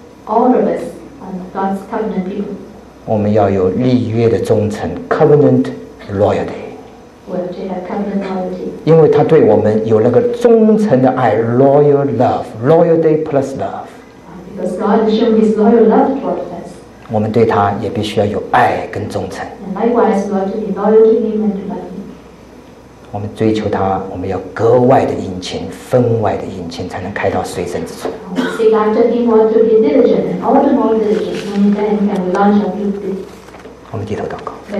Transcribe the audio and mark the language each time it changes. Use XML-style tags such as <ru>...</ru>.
<en>All of us are God's covenant people.</en> <zh>我们要有立约的忠诚 ，covenant loyalty.</zh> <en>We have covenant loyalty.</en> <zh>因为他对我们有那个忠诚的爱 ，</zh> <en>loyal love, loyalty plus love. Because God has shown His loyal love toward us.</en> <zh>我们对他也必须要有爱跟忠诚。</zh> <en>And likewise, we have to be loyal to Him and to love.</en> <zh>我们追求他，我们要格外的殷勤，分外的殷勤，才能开到随身之处。我们低头祷告。</zh>